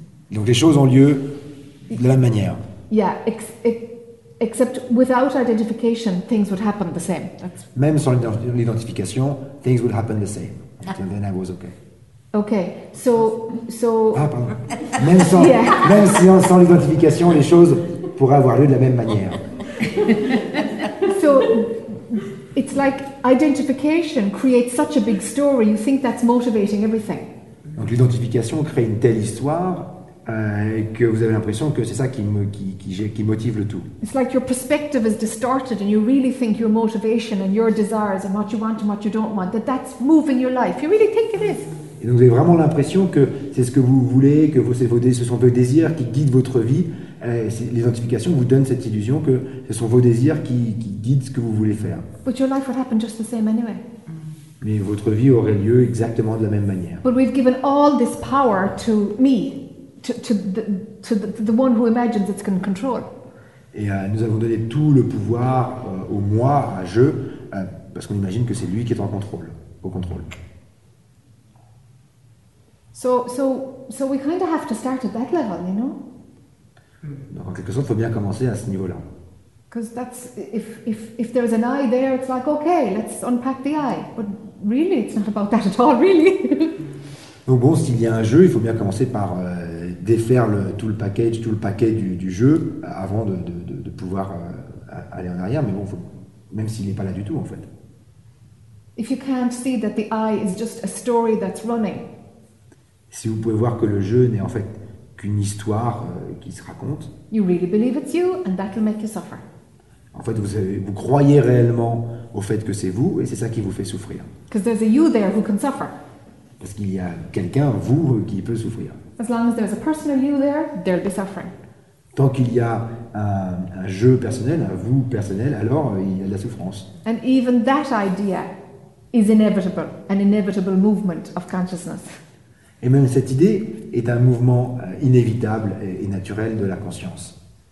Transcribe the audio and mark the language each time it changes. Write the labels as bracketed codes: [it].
[fr] Donc les choses ont lieu de la même manière. [en] Yeah. Except without identification, things would happen the same. That's... [fr] Même sans l'identification, [en] things would happen the same. And then I was okay. Okay, so. [fr] Ah, pardon. Même sans, [en] yeah. [fr] même si sans l'identification, les choses pourraient avoir lieu de la même manière. [en] So, it's like identification creates such a big story. You think that's motivating everything. [fr] Donc l'identification crée une telle histoire que vous avez l'impression que c'est ça qui motive le tout. [en] It's like your perspective is distorted and you really think your motivation and your desires and what you want and what you don't want, that's moving your life. You really think it is. [fr] Et donc vous avez vraiment l'impression que c'est ce que vous voulez, que ce sont vos désirs qui guident votre vie. L'identification vous donne cette illusion que ce sont vos désirs qui guident ce que vous voulez faire. [en] But your life would happen just the same anyway. [fr] Mais votre vie aurait lieu exactement de la même manière. [en] But we've given all this power to me. To the one who imagines it's going to control. [fr] Et nous avons donné tout le pouvoir au moi, à je, parce qu'on imagine que c'est lui qui est en contrôle, au contrôle. [en] So we kind of have to start at that level, you know. [fr] Donc en quelque sorte, il faut bien commencer à ce niveau-là. [en] Because that's if there's an eye there, it's like okay, let's unpack the eye. But really, it's not about that at all, really. [fr] Donc bon, s'il y a un jeu, il faut bien commencer par défaire tout le paquet du jeu avant de pouvoir aller en arrière, mais bon, même s'il n'est pas là du tout, en fait. [en] If you can't see that the eye is just a story that's running. [fr] Si vous pouvez voir que le jeu n'est en fait qu'une histoire qui se raconte. [en] You really believe it's you, and that'll make you suffer. [fr] En fait, vous croyez réellement au fait que c'est vous, et c'est ça qui vous fait souffrir. [en] Because there's a you there who can suffer. [fr] Parce qu'il y a quelqu'un, vous, qui peut souffrir. [en] As long as there's a personal you there, there'll be suffering. [fr] Tant qu'il y a un jeu personnel, un vous personnel, alors il y a de la souffrance. [en] And even that idea is inevitable, an inevitable movement of consciousness. [fr] Et même cette idée est un mouvement inévitable et naturel de la conscience.